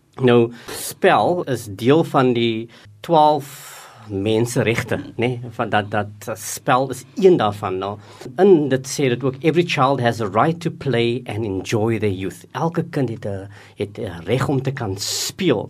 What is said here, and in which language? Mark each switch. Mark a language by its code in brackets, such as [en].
[af] Nou, spel is deel van die 12 menseregte, nee, van dat spel is een daarvan. Nou. En dit sê dit ook, [en] every child has a right to play and enjoy their youth. [af] Elke kind het reg om te kan speel.